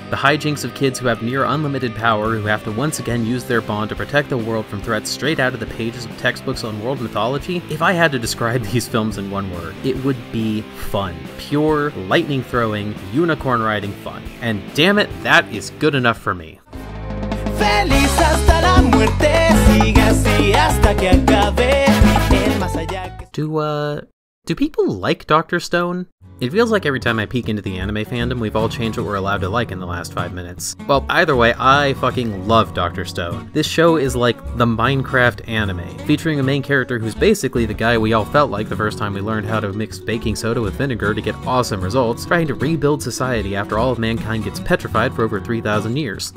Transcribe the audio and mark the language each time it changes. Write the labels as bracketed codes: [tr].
[en] The hijinks of kids who have near unlimited power who have to once again use their bond to protect the world from threats straight out of the pages of textbooks on world mythology. If I had to describe these films in one word, it would be fun. Pure, lightning-throwing, unicorn-riding fun. And damn it, that is good enough for me. [es] Feliz hasta la muerte, siga así hasta que acabe. [en] Do people like Dr. Stone? It feels like every time I peek into the anime fandom, we've all changed what we're allowed to like in the last 5 minutes. Well, either way, I fucking love Dr. Stone. This show is like the Minecraft anime, featuring a main character who's basically the guy we all felt like the first time we learned how to mix baking soda with vinegar to get awesome results, trying to rebuild society after all of mankind gets petrified for over 3,000 years.